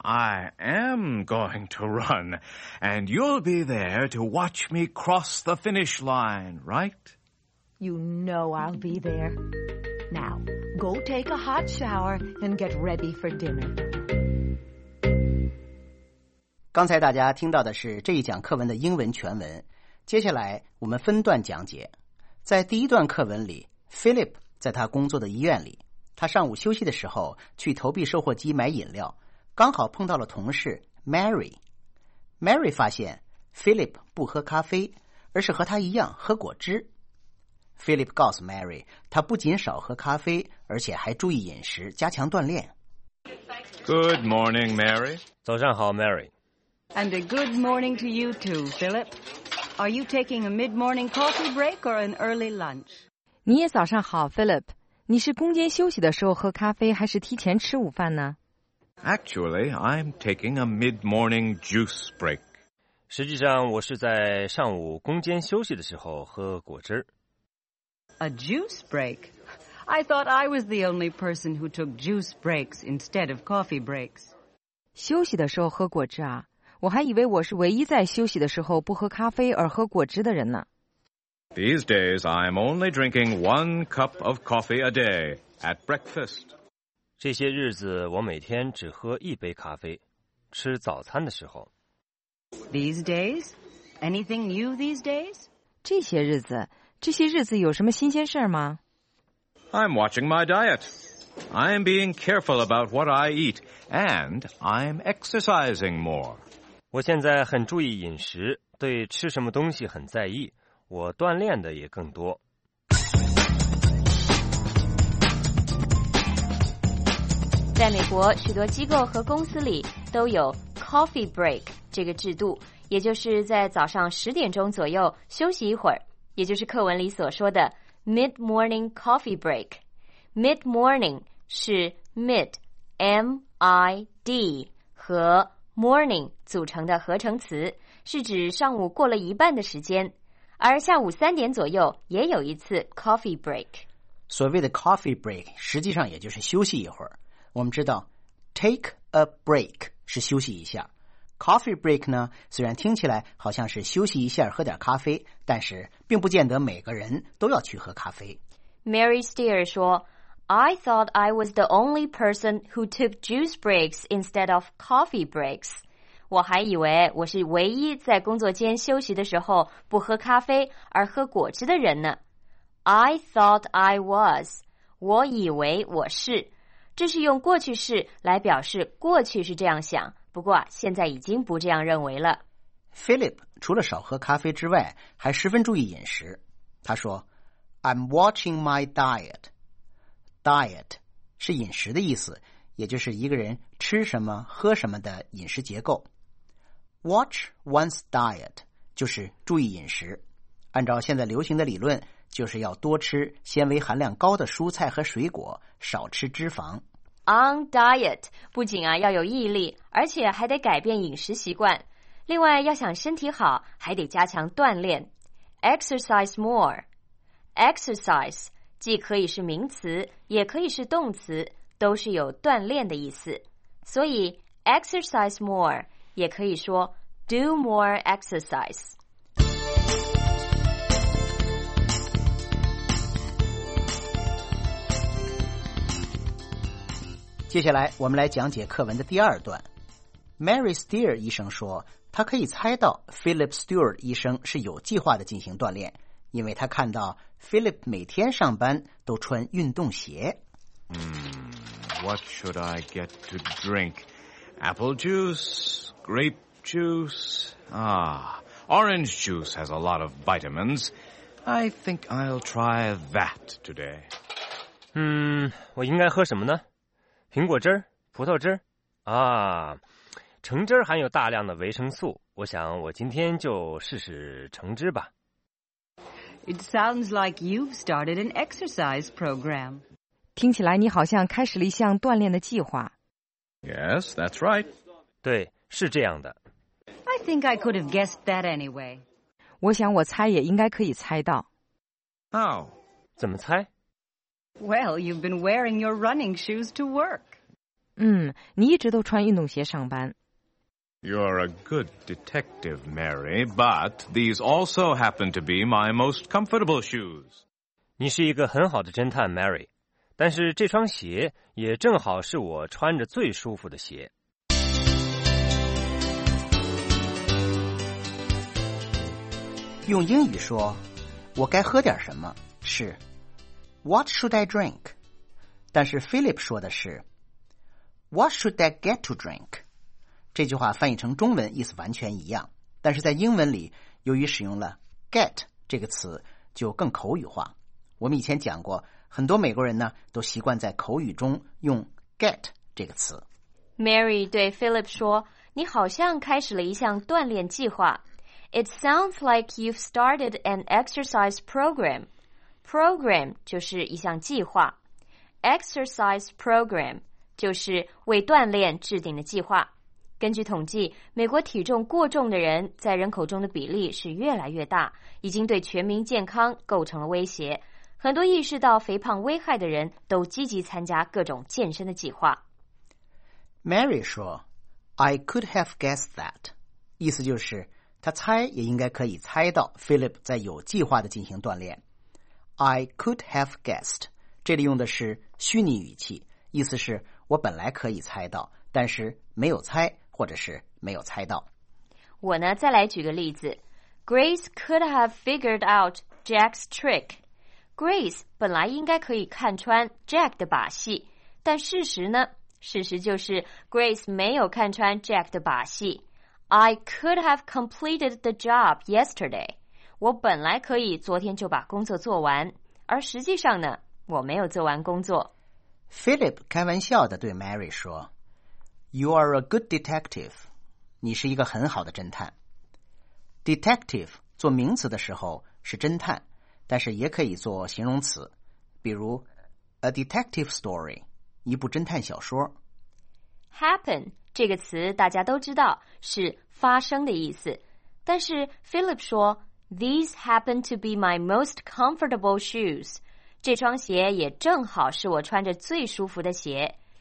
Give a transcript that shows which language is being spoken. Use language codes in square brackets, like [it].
[en] I am going to run. And you'll be there to watch me cross the finish line, right? You know I'll be there. Now, go take a hot shower and get ready for dinner. [zh] 刚才大家听到的是这一讲课文的英文全文。接下来我们分段讲解。在第一段课文里， Philip 在他工作的医院里，他上午休息的时候去投币售货机买饮料，刚好碰到了同事 Mary。 Mary 发现 Philip 不喝咖啡，而是和他一样喝果汁。 Philip 告诉 Mary 他不仅少喝咖啡，而且还注意饮食，加强锻炼。 [en] Good morning Mary。 [zh] 早上好 Mary。 [en] And a good morning to you too PhilipAre you taking a mid-morning coffee break or an early lunch? [zh] 你也早上好 Philip. 你是工间休息的时候喝咖啡还是提前吃午饭呢？ [en] Actually, I'm taking a mid-morning juice break. [zh] 实际上我是在上午工间休息的时候喝果汁。 [en] A juice break? I thought I was the only person who took juice breaks instead of coffee breaks. [zh] 休息的时候喝果汁啊？我还以为我是唯一在休息的时候不喝咖啡而喝果汁的人呢。 [en] These days, I'm only drinking one cup of coffee a day at breakfast. [zh] 这些日子我每天只喝一杯咖啡，吃早餐的时候。 [en] These days? Anything new these days? [zh] 这些日子有什么新鲜事吗？ [en] I'm watching my diet. I'm being careful about what I eat, and I'm exercising more. [zh] 我现在很注意饮食，对吃什么东西很在意，我锻炼的也更多。在美国，许多机构和公司里都有 coffee break 这个制度，也就是在早上10点钟左右休息一会儿，也就是课文里所说的 mid-morning coffee break。 mid-morning 是 mid M-I-D 和morning 组成的合成词，是指上午过了一半的时间，而下午3点左右也有一次 coffee break。所谓的 coffee break 实际上也就是休息一会儿。我们知道 take a break 是休息一下， coffee break 呢虽然听起来好像是休息一下喝点咖啡，但是并不见得每个人都要去喝咖啡。 [en] Mary Steer [zh] 说， [en] I thought I was the only person who took juice breaks instead of coffee breaks. [zh] 我还以为我是唯一在工作间休息的时候不喝咖啡而喝果汁的人呢。 [en] I thought I was. [zh] 我以为我是。这是用过去式来表示过去是这样想，不过现在已经不这样认为了。 Philip 除了少喝咖啡之外，还十分注意饮食。他说 [en] I'm watching my diet. [zh] Diet 是饮食的意思，也就是一个人吃什么喝什么的饮食结构。 Watch one's diet 就是注意饮食，按照现在流行的理论，就是要多吃纤维含量高的蔬菜和水果，少吃脂肪。 On diet 不仅啊要有毅力，而且还得改变饮食习惯，另外要想身体好还得加强锻炼。 [en] Exercise more. [zh] Exercise既可以是名词，也可以是动词，都是有锻炼的意思。所以 exercise more 也可以说 do more exercise。接下来我们来讲解课文的第二段。Mary Steer 医生说，他可以猜到 Philip Steer 医生是有计划的进行锻炼，因为他看到 Philip 每天上班都穿运动鞋。 [en] What should I get to drink? Apple juice? Grape juice? Orange juice has a lot of vitamins. I think I'll try that today. [zh] 我应该喝什么呢？苹果汁？葡萄汁？橙汁含有大量的维生素，我想我今天就试试橙汁吧。 [en] It sounds like you've started an exercise program. [zh] 听起来你好像开始了一项锻炼的计划。 [en] Yes, that's right. [zh] 对，是这样的。 [en] I think I could have guessed that anyway. [zh] 我想我猜也应该可以猜到。 [en] How? [zh] 怎么猜？ [en] Well, you've been wearing your running shoes to work. [zh] 你一直都穿运动鞋上班。 [en] You're a good detective, Mary, but these also happen to be my most comfortable shoes. [zh] 你是一个很好的侦探 ,Mary, 但是这双鞋也正好是我穿着最舒服的鞋。用英语说，我该喝点什么，是 [en] What should I drink? [zh] 但是 [en] Philip [zh] 说的是 [en] What should I get to drink? [zh] 这句话翻译成中文意思完全一样，但是在英文里由于使用了 get 这个词就更口语化。我们以前讲过，很多美国人呢都习惯在口语中用 get 这个词。 Mary 对 Philip 说，你好像开始了一项锻炼计划。 [en] It sounds like you've started an exercise program. [zh] Program 就是一项计划。Exercise program 就是为锻炼制定的计划。根据统计，美国体重过重的人在人口中的比例是越来越大，已经对全民健康构成了威胁。很多意识到肥胖危害的人都积极参加各种健身的计划。 Mary 说 [en] I could have guessed that. [zh] 意思就是他猜也应该可以猜到 Philip 在有计划地进行锻炼。 [en] I could have guessed， [zh] 这里用的是虚拟语气，意思是我本来可以猜到，但是没有猜，或者是没有猜到。我呢，再来举个例子。 [en] Grace could have figured out Jack's trick. [zh] Grace 本来应该可以看穿 Jack 的把戏，但事实呢？事实就是 Grace 没有看穿 Jack 的把戏。 [en] I could have completed the job yesterday. [zh] 我本来可以昨天就把工作做完，而实际上呢，我没有做完工作。 [en] Philip [zh] 开玩笑地对 Mary 说 [en] You are a good detective. [zh] 你是一个很好的侦探。 Detective 做名词的时候是侦探，但是也可以做形容词，比如 [en] A detective story， [zh] 一部侦探小说。 Happen这个词大家都知道是发生的意思，但是 Philip 说 [en] These happen to be my most comfortable shoes， [zh] 这双鞋也正好是我穿着最舒服的鞋。